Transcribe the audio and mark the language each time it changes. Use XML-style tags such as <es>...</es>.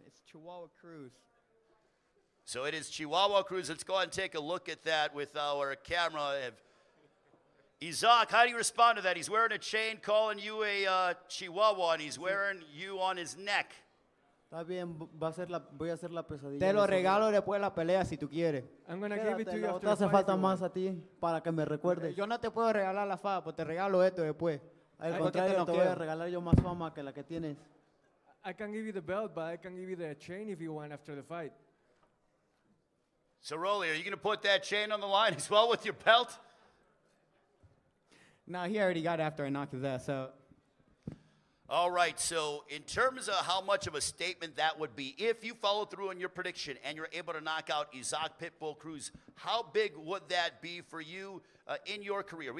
<en>It's Chihuahua Cruz. So it is Chihuahua Cruz. Let's go ahead and take a look at that with our camera. Isaac, how do you respond to that? He's wearing a chain calling you a Chihuahua, and he's wearing you on his neck.</en> <es>Bien, va a ser la, voy a hacer la pesadilla. Te lo regalo después de la pelea si tú quieres.</es> <en>I'm gonna give it to you.</en> <es>Te hace falta más a ti para que me recuerdes. Yo no te puedo regalar la fama, pues te regalo esto después. Al contrario, te voy a regalar yo más fama que la que tienes.</es> <en>I can give you the belt, but I can give you the chain if you want after the fight. So Rolly, are you gonna put that chain on the line as well with your belt? No, he already got it after I knocked his ass out. All right, so in terms of how much of a statement that would be, if you follow through on your prediction and you're able to knock out Isaac Pitbull Cruz, how big would that be for you in your career?</en>